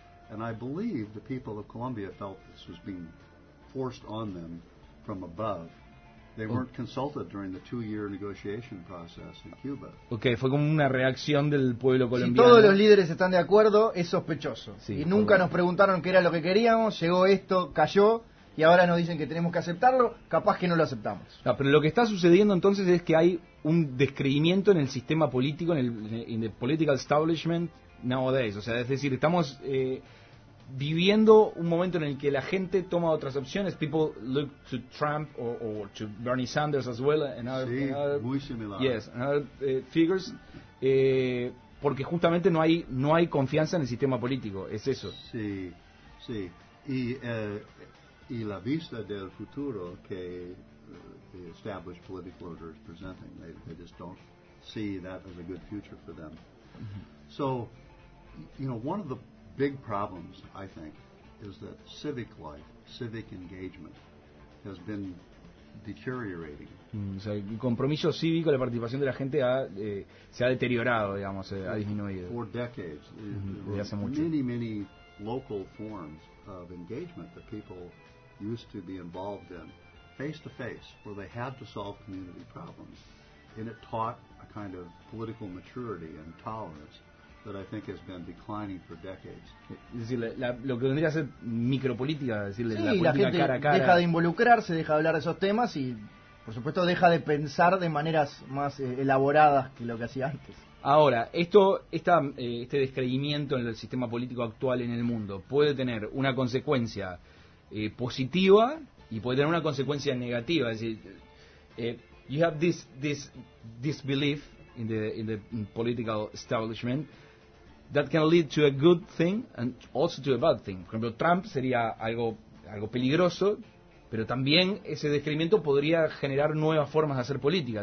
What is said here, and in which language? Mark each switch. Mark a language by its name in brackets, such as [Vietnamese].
[English] And I believe the people of Colombia felt this was being forced on them from above. They weren't consulted during the two-year negotiation process in Cuba. [Spanish] Okay, fue como una reacción del pueblo colombiano. Si todos los líderes están de acuerdo, es sospechoso. Sí, y nunca nos preguntaron qué era lo que queríamos, llegó esto, cayó, y ahora nos dicen que tenemos que aceptarlo, capaz que no lo aceptamos. No, pero lo que está sucediendo entonces es que hay un descreimiento en el sistema político, en el [English] political establishment, nowadays. [Spanish] O sea, es decir, estamos viviendo un momento en el que la gente toma otras opciones. [English] People look to Trump or to Bernie Sanders as well. And other figures. [Spanish] Porque justamente no hay confianza en el sistema político. Es eso. Sí, sí. Y la vista del futuro que [English] the established political order is presenting. They just don't see that as a good future for them. So, you know, one of the big problems, I think, is that civic life, civic engagement, has been deteriorating. [Spanish] O sea, el compromiso cívico, la participación de la gente se ha deteriorado, digamos, ha disminuido. [English] For decades, [Spanish] desde hace mucho. [English] Many, many local forms of engagement that people used to be involved in, face to face, where they had to solve community problems, and it taught a kind of political maturity and tolerance that I think has been declining for decades. [Spanish] Es decir, lo que vendría a ser micropolítica, es decir, sí, la política cara a Sí, la gente deja de involucrarse, deja de hablar de esos temas y, por supuesto, deja de pensar de maneras más elaboradas que lo que hacía antes. Ahora, este descreimiento en el sistema político actual en el mundo puede tener una consecuencia positiva y puede tener una consecuencia negativa. Es decir, [English] you have this belief in the political establishment that can lead to a good thing and also to a bad thing. [Spanish] Por ejemplo, Trump sería algo peligroso, pero también ese descreimiento podría generar nuevas formas de hacer política.